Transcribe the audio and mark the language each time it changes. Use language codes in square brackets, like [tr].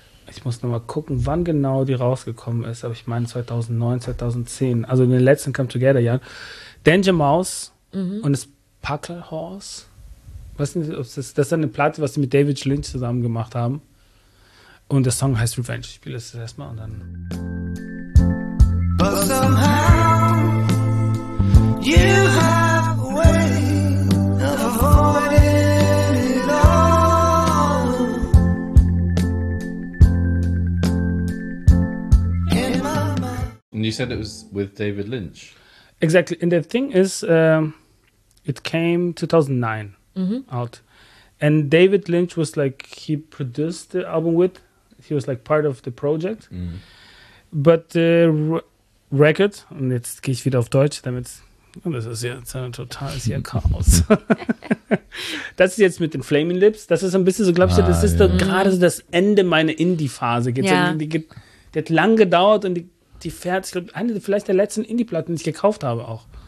[de] Ich muss nochmal gucken, wann genau die rausgekommen ist. Aber ich meine 2009, 2010. Also in den letzten Come Together Jahren. Danger Mouse und das Puckle Horse. Was ist das? Das ist eine Platte, was sie mit David Lynch zusammen gemacht haben. Und der Song heißt Revenge. Ich spiele das erstmal und dann. [en] But somehow. You have a way of avoiding it all. In my mind. And you said it was with David Lynch. Exactly. And the thing is, it came 2009 out. And David Lynch was like, he produced the album with. He was like part of the project. Mm. But the record, and [de] jetzt gehe ich wieder auf Deutsch, damit Das ist jetzt ein totales Chaos. Das ist jetzt mit den Flaming Lips. Das ist ein bisschen so, glaubst du, das ist doch gerade so das Ende meiner Indie-Phase. Die hat lang gedauert und die fährt, ich glaube, eine vielleicht der letzten Indie-Platten, die ich gekauft habe auch.